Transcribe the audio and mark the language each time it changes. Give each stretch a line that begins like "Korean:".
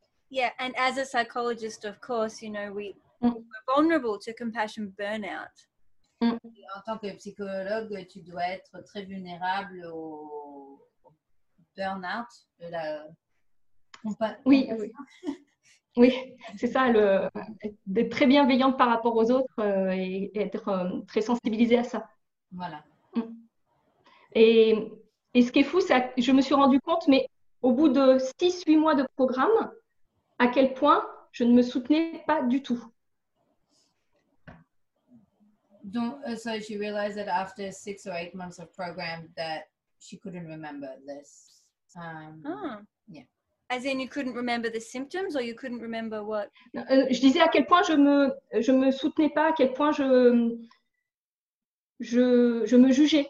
English: Yeah, and as a psychologist, of course, you know, we're vulnerable to compassion burnout.
French: Et en tant que psychologue, tu dois être très vulnérable au burn-out, de la compassion. Oui, oui. Oui, c'est ça, d'être très bienveillante par rapport aux autres et être très sensibilisée à ça. Voilà. Et ce qui est fou, c'est que je me suis rendu compte, mais au bout de 6-8 mois de programme, à quel point je ne me soutenais pas du tout.
English: So she realized that after 6 or 8 months of program that she couldn't remember this. As in you couldn't remember the symptoms or you couldn't remember what?
French: Je disais à quel point je me soutenais pas, à quel point je me jugeais.